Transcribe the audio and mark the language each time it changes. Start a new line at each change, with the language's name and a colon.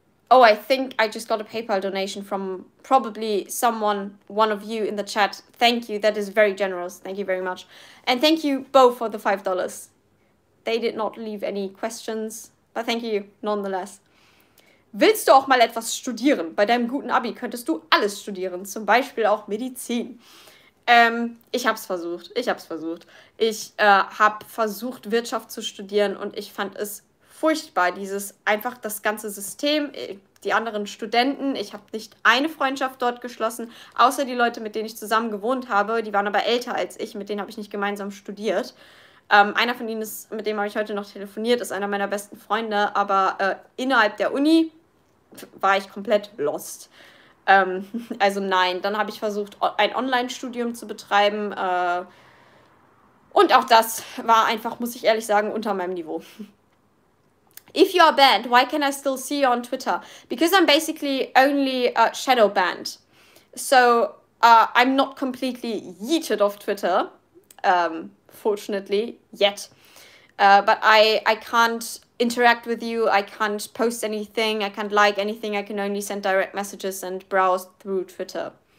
English: Oh, I think I just got a PayPal donation from probably someone, one of you in the chat. Thank you. That is very generous. Thank you very much. And thank you both for the $5. They did not leave any questions, but thank you nonetheless.
German: Willst du auch mal etwas studieren? Bei deinem guten Abi könntest du alles studieren, zum Beispiel auch Medizin. Ich habe es versucht. Ich habe es versucht. Ich habe versucht, Wirtschaft zu studieren und ich fand es furchtbar, dieses einfach das ganze System, die anderen Studenten. Ich habe nicht eine Freundschaft dort geschlossen, außer die Leute, mit denen ich zusammen gewohnt habe. Die waren aber älter als ich, mit denen habe ich nicht gemeinsam studiert. Einer von ihnen, mit dem habe ich heute noch telefoniert, ist einer meiner besten Freunde, aber innerhalb der Uni war ich komplett lost. Also nein, dann habe ich versucht, ein Online-Studium zu betreiben. Und auch das war einfach, muss ich ehrlich sagen, unter meinem Niveau.
English: If you are banned, why can I still see you on Twitter? Because I'm basically only shadow banned. So I'm not completely yeeted off Twitter, fortunately, yet. But I can't interact with you, I can't post anything, I can't like anything, I can only send direct messages and browse through Twitter.